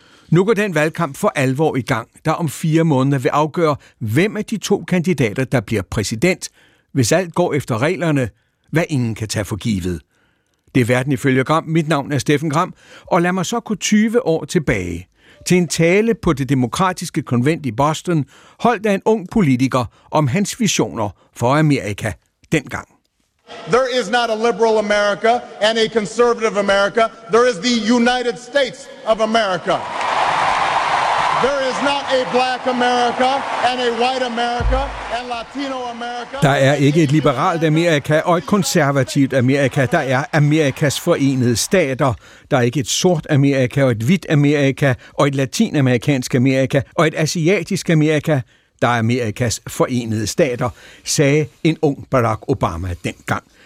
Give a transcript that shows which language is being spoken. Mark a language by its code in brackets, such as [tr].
[da] Nu går den valgkamp for alvor i gang, der om 4 måneder vil afgøre, hvem af de to kandidater, der bliver præsident, hvis alt går efter reglerne, hvad ingen kan tage for givet. Det er Verden ifølge Gram. Mit navn er Steffen Gram, og lad mig så gå 20 år tilbage til en tale på det demokratiske konvent i Boston, holdt af en ung politiker om hans visioner for Amerika dengang. [en] There is not a liberal America and a conservative America. There is the United States of America. There is not a black America and a white America and Latino America. [da] Der er ikke et liberalt Amerika og et konservativt Amerika. Der er Amerikas forenede stater. Der er ikke et sort Amerika og et hvidt Amerika og et latinamerikansk Amerika og et asiatisk Amerika. Der er Amerikas forenede stater, sagde en ung Barack Obama dengang.